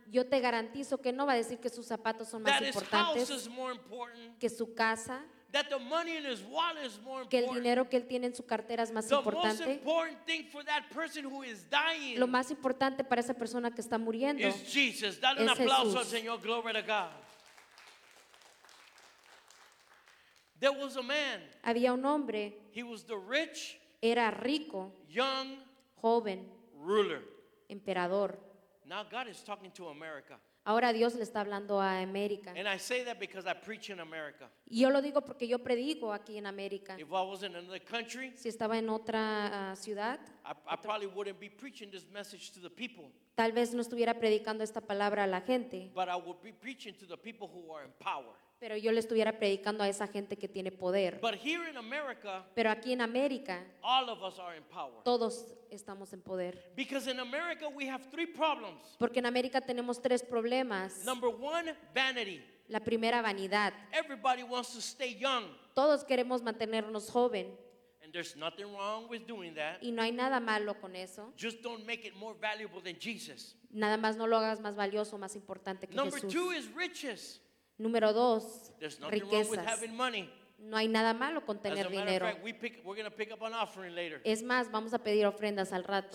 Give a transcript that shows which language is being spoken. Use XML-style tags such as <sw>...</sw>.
<es>Yo te garantizo que no va a decir que sus zapatos son más importantes.</es> <en>That his house is more important.</en> <es>Que su casa.</es> <en>That the money in his wallet is more important.</en> <es>Que el dinero que él tiene en su cartera es más importante.</es> <en>The most important thing for that person who is dying.</en> <es>Lo más importante para esa persona que está muriendo.</es> <en>Is Jesus.</en> <es>Dale un aplauso al Señor.</es> <en>Glory to God. There was a man.</en> <es>Había un hombre.</es> <en>He was the rich.</en> <es>Era rico.</es> <en>Young.</en> <es>Joven.</es> <en>Ruler.</en> <es>Emperador.</es> <en>Now God is talking to America.</en> <es>Ahora Dios le está hablando a América.</es> <en>And I say that because I preach in America.</en> <es>Yo lo digo porque yo predico aquí en América.</es> <en>If I was in another country,</en> <es>si estaba en otra ciudad,</es> <en>I probably wouldn't be preaching this message to the people.</en> <es>Tal vez no estuviera predicando esta palabra a la gente.</es> <en>But I would be preaching to the people who are in power.</en> <es>pero yo le estuviera predicando a esa gente que tiene poder.</es> <en>But here in America,</en> <es>pero aquí en América,</es> <en>all of us are in power.</en> <es>Todos estamos en poder.</es> <en>Because in America we have three problems.</en> <es>Porque en América tenemos tres problemas.</es> <en>Number one, vanity.</en> <es>La primera, vanidad.</es> <en>Everybody wants to stay young.</en> <es>Todos queremos mantenernos joven.</es> <en>And there's nothing wrong with doing that.</en> <es>Y no hay nada malo con eso.</es> <en>Just don't make it more valuable than Jesus.</en> <es>Nada más no lo hagas más valioso, más importante que</es> <en>Number</en> <es>Jesús.</es> <en>Number two is riches.</en> <es>Número dos,</es> <en>there's nothing</en> <es>riquezas.</es> <en>Wrong with having money.</en> <es>No hay nada malo con tener dinero.</es> <en>As a matter of fact, we're going to pick up an offering later.</en> <es>Es más, vamos a pedir ofrendas al rato.</es>